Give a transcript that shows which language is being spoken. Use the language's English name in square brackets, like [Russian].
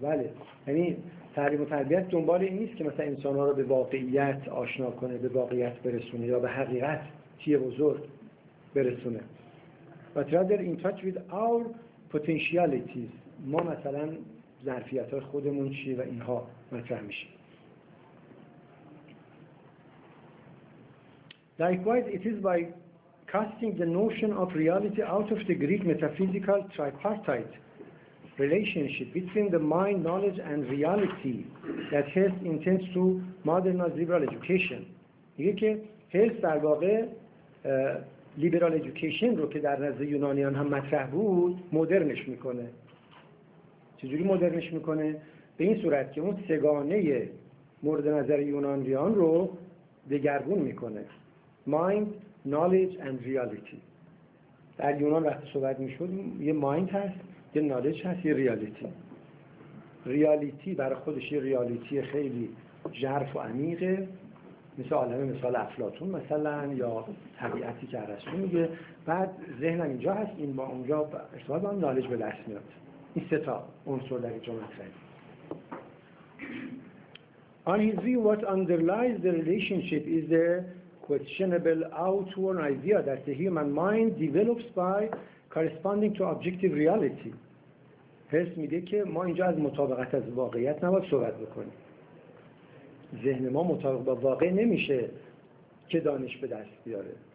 [Persian] بله، یعنی تعلیم و تربیت دنبال این نیست که مثلا انسان‌ها رو به واقعیت آشنا کنه، به واقعیت برسونه یا به حقیقت چیه بزرگ برسونه. [English] But rather in touch with our potentialities. [Persian] ما مثلا ظرفیت‌های خودمون چیه و اینها مطرح میشه. [English] Likewise it is by casting the notion of reality out of the Greek metaphysical tripartite relationship between the mind, knowledge and reality that Hess intends to modernize liberal education. [Persian] میگه که Hess در واقع liberal education رو که در نزد یونانیان هم مطرح بود مدرنش میکنه. چجوری مدرنش میکنه؟ به این صورت که اون سگانه مورد نظر یونانیان رو دگرگون میکنه. [English] Mind, knowledge and reality. [Persian] در یونان وقتی صحبت میشد یه mind هست، یه نالج هست، یه ریالیتی. ریالیتی برای خودش یه ریالیتی خیلی ژرف و عمیقه، مثل عالم مثال افلاطون مثلا یا طبیعتی که ارسطو میگه. بعد ذهنم اینجا هست، این با اونجا ارتباط با نالج به دست میاد. این سه تا عنصر در اینجا مطرحه. [English] On his view what underlies the relationship is the questionable outworn idea that the human mind develops by corresponding to objective reality. [Persian] هرس میگه که ما اینجا از مطابقت از واقعیت نباید صحبت بکنیم. ذهن ما مطابق با واقع نمیشه که دانش به دست بیاره.